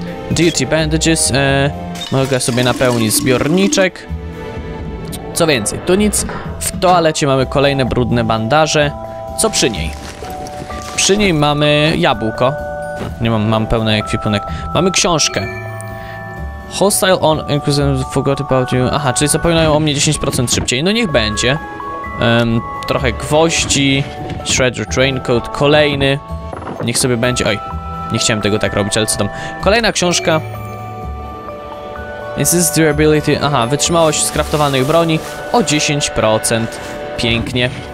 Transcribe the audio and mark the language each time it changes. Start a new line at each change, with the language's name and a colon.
English: Duty bandages,
Polish: mogę sobie napełnić zbiorniczek. Co więcej, tu nic. W toalecie mamy kolejne brudne bandaże. Co przy niej? Przy niej mamy jabłko. Nie mam, mam pełny ekwipunek. Mamy książkę.
English: Hostile on Inquisition forgot about you.
Polish: Aha, czyli zapominają o mnie 10% szybciej. No niech będzie. Trochę gwoździ. Shredder raincoat. Kolejny. Niech sobie będzie. Oj, nie chciałem tego tak robić, ale co tam. Kolejna książka.
English: Is this durability?
Polish: Aha, wytrzymałość skraftowanych broni o 10%. Pięknie.